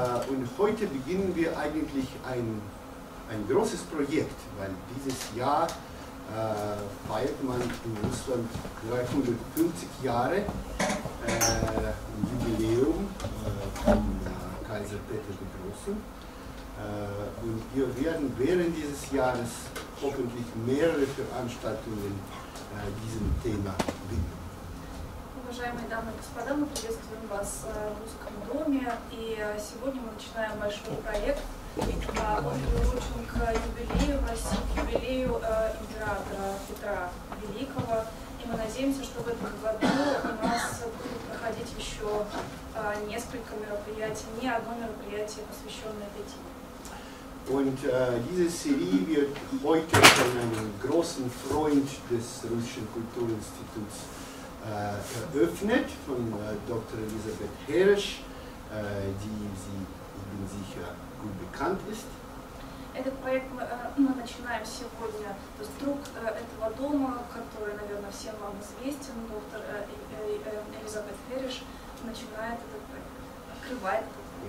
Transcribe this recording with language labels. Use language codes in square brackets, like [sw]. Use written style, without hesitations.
[de] Und heute beginnen wir eigentlich ein großes Projekt, weil dieses Jahr feiert man in Russland 350 Jahre im Jubiläum von Kaiser Peter der Große. Und wir werden während dieses Jahres hoffentlich mehrere Veranstaltungen diesem Thema widmen. [ru] Уважаемые дамы и господа, мы приветствуем вас в Русском доме. И сегодня мы начинаем большой проект. Он приурочен к юбилею России, к юбилею императора Петра Великого. И мы надеемся, что в этом году у нас будут проходить еще несколько мероприятий, не одно мероприятие, посвященное этой теме. [de] Und diese Serie wird heute von einem großen Freund des Russischen Kulturinstituts eröffnet, von Dr. Elisabeth Heresch, die Sie, ich bin sicher, gut bekannt ist. [ru] Этот проект мы начинаем сегодня с друг этого дома, который, наверное, всем вам известен, доктор Элизабет Хереш начинает этот проект, открывает этот проект.